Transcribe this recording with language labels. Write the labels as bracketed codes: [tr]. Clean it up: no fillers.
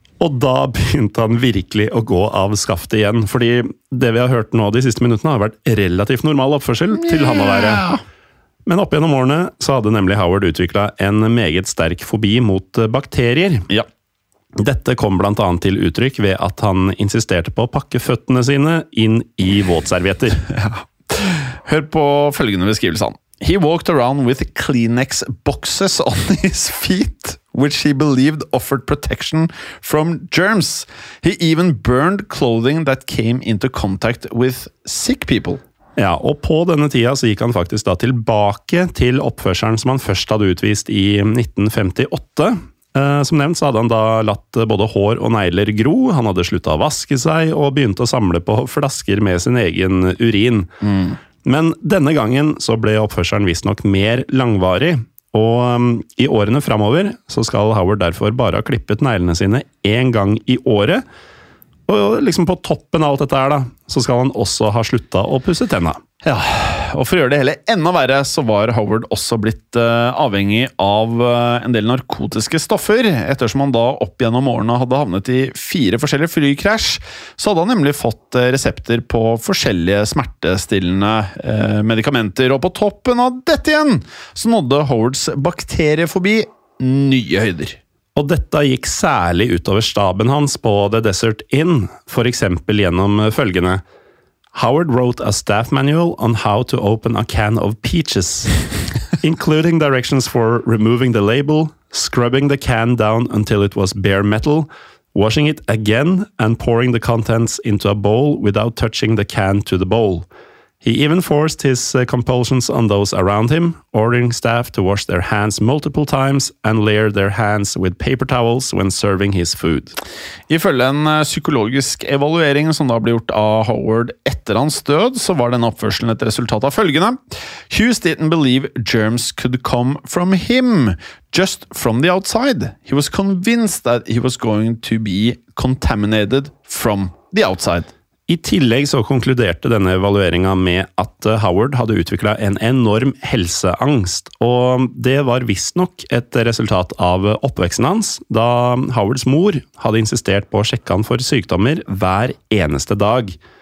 [no] Og da begynte han virkelig å gå av skaftet igjen, fordi det vi har hørt nå de siste minuttene har vært relativt normal oppførsel til han å være. Men opp gjennom årene så hadde nemlig Howard utviklet en meget sterk fobi mot bakterier. Ja. Dette kom blant annet til uttrykk ved at han insisterte på å pakke føttene sine inn i våtservietter. Ja. Hør på følgende beskrivelse han. [en] He walked around with Kleenex boxes on his feet, which he believed offered protection from germs. He even burned clothing that came into contact with sick people. [no] Ja, og på denne tida så gikk han faktisk da tilbake til oppførselen som han først hadde utvist i 1958. Som nevnt så hadde han da latt både hår og negler gro, han hadde sluttet å vaske seg og begynt å samle på flasker med sin egen urin. Mm. Men denne gangen så ble oppførselen visst nok mer langvarig, og i årene fremover så skal Howard derfor bare ha klippet neglene sine en gang i året. Og liksom på toppen av alt dette her da, så skal han også ha sluttet å pusse tennene. Ja, og for å gjøre det hele enda verre, så var Howard også blitt avhengig av en del narkotiske stoffer. Ettersom han da opp gjennom årene hadde havnet i 4 forskjellige flykrasj, så hadde han nemlig fått resepter på forskjellige smertestillende medikamenter. Og på toppen av dette igjen, så nådde Howards bakteriefobi nye høyder. Og dette gikk særlig utover staben hans på The Desert Inn, for eksempel gjennom følgende. [en] Howard wrote a staff manual on how to open a can of peaches, including directions for removing the label, scrubbing the can down until it was bare metal, washing it again, and pouring the contents into a bowl without touching the can to the bowl. He even forced his compulsions on those around him, ordering staff to wash their hands multiple times and layer their hands with paper towels when serving his food. [no] Ifølge en psykologisk evaluering som da ble gjort av Howard etter hans død, så var den oppførselen et resultat av følgende. [en] Hughes didn't believe germs could come from him, just from the outside. He was convinced that he was going to be contaminated from the outside. [no] I tillegg så konkluderte denne evalueringen med at Howard hadde utviklet en enorm helseangst, og det var visst nok et resultat av oppveksten hans, da Howards mor hadde insistert på å sjekke han for sykdommer hver eneste dag.